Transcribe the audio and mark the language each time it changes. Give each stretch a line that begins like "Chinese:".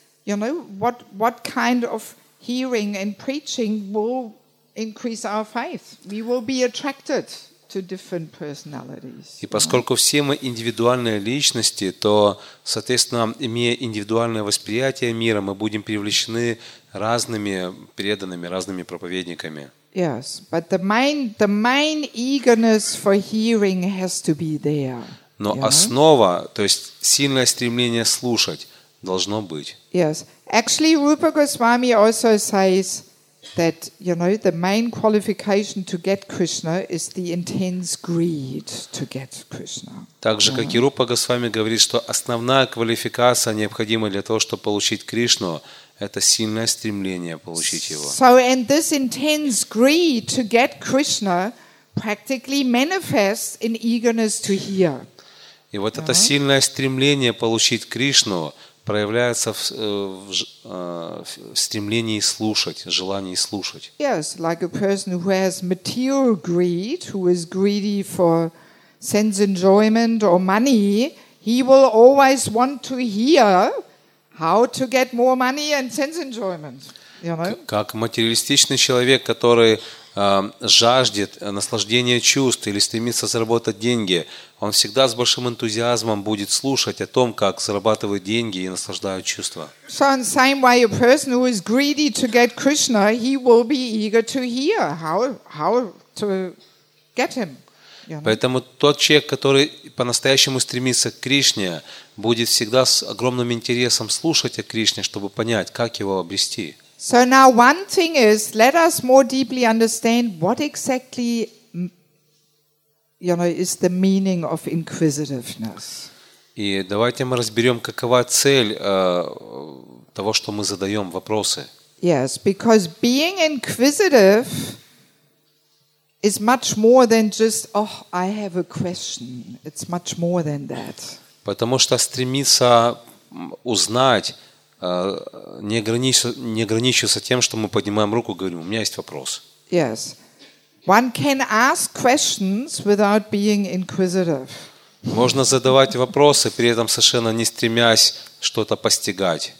English: You know, what kind of hearing and preaching will increase our faith? We will be attracted to different personalities.
Russian: И поскольку все мы индивидуальные личности, то, соответственно, имея индивидуальное восприятие мира, мы будем привлечены разными преданными, разными проповедниками.
English: Yes, but the main eagerness for hearing has to be there.
Russian: Но основа, то есть сильное стремление слушать, должно быть.
English: Yes, actually, Rupa Goswami also says that, you know, the main qualification to get Krishna is the intense greed to get Krishna.
Russian: Также, как и Рупа Госвами говорит, что основная квалификация, необходимая для того, чтобы получить Кришну, это сильное стремление получить его.
English: So, and this intense greed to get Krishna practically manifests in eagerness to hear.
Russian: И вот это сильное стремление получить Кришну проявляется в стремлении слушать, желании слушать.
English: Yes, like a person who has material greed, who is greedy for sense enjoyment or money, he will always want to hear how to get more money and sense enjoyment. You know?
Russian: Как материалистичный человек, который жаждет наслаждения чувств или стремится заработать деньги, он всегда с большим энтузиазмом будет слушать о том, как зарабатывают деньги и наслаждают чувства.
English: So in the same way, a person who is greedy to get Krishna, he will be eager to hear how to get him.
Russian: Поэтому тот человек, который по-настоящему стремится к Кришне, будет всегда с огромным интересом слушать о Кришне, чтобы понять, как его обрести.
English: So now one thing is, let us more deeply understand what exactly, you know, is the meaning of inquisitiveness.
Russian: И давайте мы разберем, какова цель того, что мы задаем вопросы.
English: Yes, because being inquisitive is much more than just, oh, I have a question. It's much more than that.
Russian: Потому что стремиться узнать не ограничивается тем, что мы поднимаем руку и говорим, у меня есть вопрос.
English: Yes. One can ask questions without being inquisitive.
Russian: Можно задавать вопросы, при этом совершенно не стремясь что-то постигать.